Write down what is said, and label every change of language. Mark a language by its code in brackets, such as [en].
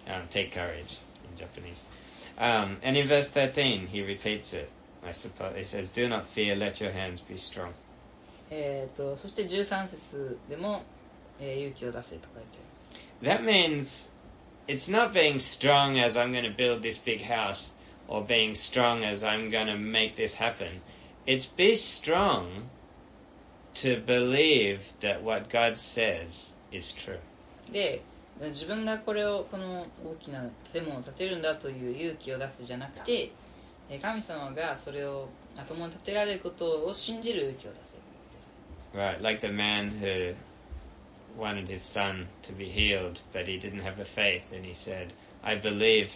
[en] Take courage in Japanese. And in verse 13, he repeats it. I suppose he says, "Do not fear. Let your hands be strong." [ja] そして13節でも、勇気を出せと書いてあります。 [en] That means it's not being strong as I'm going to build this big house or being strong as I'm going to make this happen. It's be strong. To believe that what God says is true. [ja] で、自分がこれをこの大きな建物を建てるんだという勇気を出すじゃなくて、神様がそれを共に建てられることを信じる勇気を出せるんです。 [en] Right, like the man who wanted his son to be healed, but he didn't have the faith, and he said, "I believe.